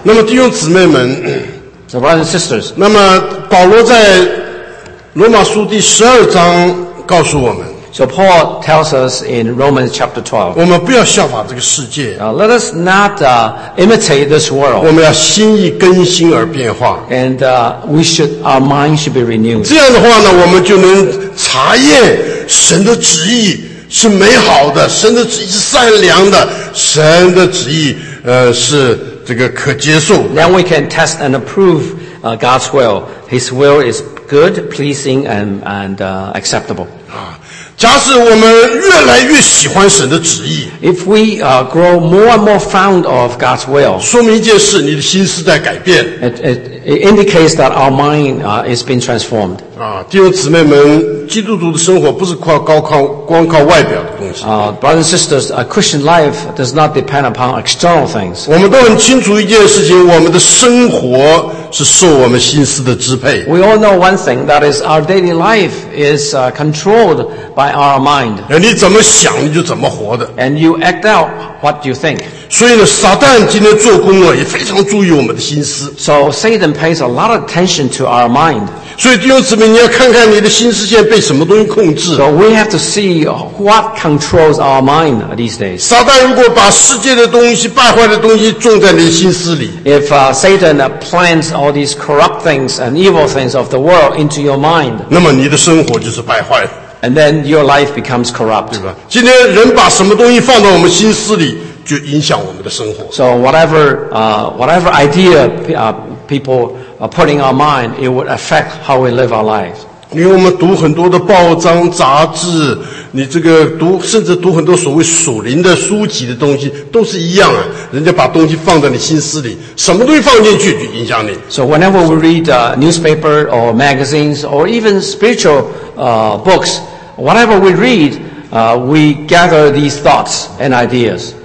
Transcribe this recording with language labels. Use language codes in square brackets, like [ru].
[zh] 那么弟兄姊妹们。 [en] So brothers and sisters, [zh] 那么保罗在罗马书第十二章告诉我们。 [en] So Paul tells us in Romans chapter 12. [zh] 我们不要效法这个世界。 [en] Let us not imitate this world. [zh] 我们要心意更新而变化。 [en] And we should our mind should be renewed. [zh] 这样的话呢，我们就能查验神的旨意是美好的，神的旨意是善良的，神的旨意是。这个可接受。 [en] Then we can test and approve God's will. His will is good, pleasing, and acceptable. [zh] 假使我们越来越喜欢神的旨意。 [en] If we grow more and more fond of God's will. [zh] 说明一件事，你的心思在改变。 [en] It indicates that our mind is being transformed. [zh] 弟兄姊妹们，基督徒的生活不是光靠外表的东西。 [en] Brothers and sisters, a Christian life does not depend upon external things. [zh] 我们都很清楚一件事情，我们的生活是受我们心思的支配。 [en] We all know one thing, that is our daily life is controlled by our mind. [zh] 你怎么想，你就怎么活的。 [en] And you act out what you think. [zh] 所以呢，撒旦今天做工呢，也非常注意我们的心思。 [en] So Satan pays a lot of attention to our mind. [zh] 所以弟兄姊妹，你要看看你的心思现在被什么东西控制。 [en] So we have to see what controls our mind these days. [zh] 撒旦如果把世界的东西、败坏的东西种在你的心思里 [en] ，If Satan plants all these corrupt things and evil things of the world into your mind, [zh] 那么你的生活就是败坏。 [en] And then your life becomes corrupt. [zh] 对吧？今天人把什么东西放到我们心思里？就影响我们的生活。 [en] So whatever idea people put in our mind, it would affect how we live our lives. [zh] 因为我们读很多的报章杂志，你这个读甚至读很多所谓属灵的书籍的东西，都是一样啊。人家把东西放在你心思里，什么东西放进去就影响你。 [en] So whenever we read newspaper or magazines or even spiritual books, whatever we read, we gather these thoughts and ideas.